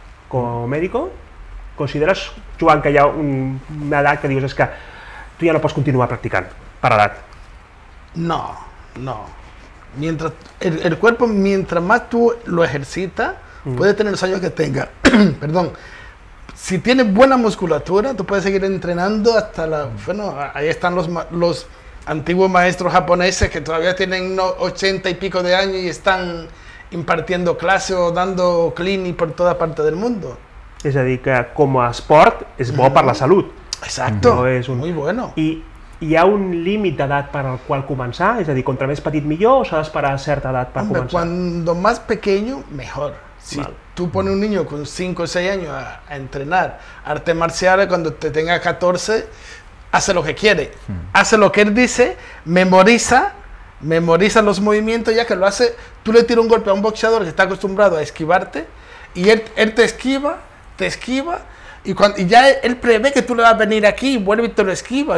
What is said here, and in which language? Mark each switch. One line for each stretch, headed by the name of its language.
Catalan: Com a mèdico, consideres, Joan, que hi ha una edat que dius és que tu ja no pots continuar practicant per edat? No, no.
Spanish: Mientras el cuerpo, mientras más tú lo ejercitas, puede tener los años que tenga. Perdón. Si tienes buena musculatura, tú puedes seguir entrenando hasta la... Bueno, ahí están los antiguos maestros japoneses que todavía tienen 80 y pico de años y están impartiendo clases o dando clinic por toda parte del mundo. Es decir, que como esport es bueno para la salud. Exacto, no es muy bueno.
Catalan: Y hi ha un límit d'edat per al qual començar? És a dir, contra més petit millor o s'ha d'esperar a certa edat per començar?
Spanish: Cuando más pequeño, mejor. Si tú pones un niño con 5 o 6 años a entrenar arte marcial, cuando te tenga 14, hace lo que quiere. Hace lo que él dice, memoriza los movimientos, ya que lo hace. Tú le tiras un golpe a un boxeador que está acostumbrado a esquivarte y él te esquiva, y ya él prevé que tú le vas a venir aquí y vuelve y te lo esquiva.